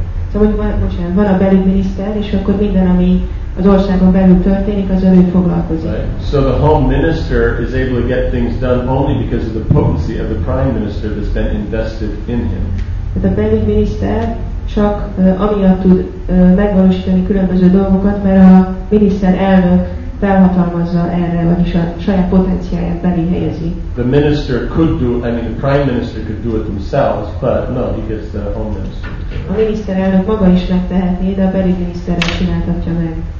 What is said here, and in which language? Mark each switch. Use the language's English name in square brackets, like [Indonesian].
[English] So when [Hungarian] van a belügyminiszter, és akkor minden, ami az országon belül történik, az ő foglalkozik. [English] Right. So the home minister is able to get things done only because of the potency of the prime minister that's been invested in him. [Hungarian] But a belügyminiszter csak amiatt tud megvalósítani különböző dolgokat, mert a miniszter elnök felhatalmazza erre, vagyis a saját potenciáját belé helyezi. [English] The minister could do, I mean the prime minister could do it themselves, but no, he gets the home minister. [Hungarian] A miniszter elnök maga is megtehetné, de a belügyminiszterrel csináltatja meg.